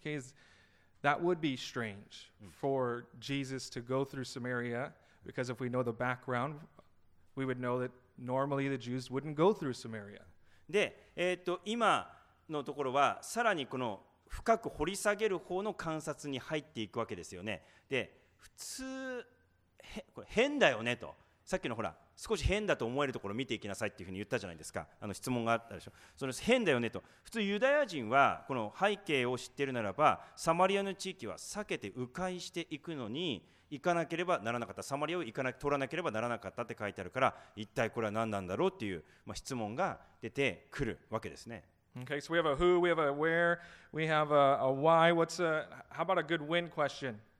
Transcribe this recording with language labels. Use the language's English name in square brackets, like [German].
[English] Okay, that would be strange for Jesus to go through Samaria, because if we know the background, we would know that normally the Jews wouldn't go through Samaria. [Japanese] で、今のところはさらにこの深く掘り下げる方の観察に入っていくわけですよね。で、普通これ変だよねと、さっきのほら少し変だと思えるところを見ていきなさいっていうふうに言ったじゃないですか。あの質問があったでしょ。その変だよねと。普通ユダヤ人はこの背景を知っているならば、サマリアの地域は避けて迂回していくのに行かなければならなかった。サマリアを通らなければならなかったって書いてあるから、一体これは何なんだろうっていう、まあ、質問が出てくるわけですね。 [English] Okay, so we have a who, we have a where, we have a why. What's a how about a good when question?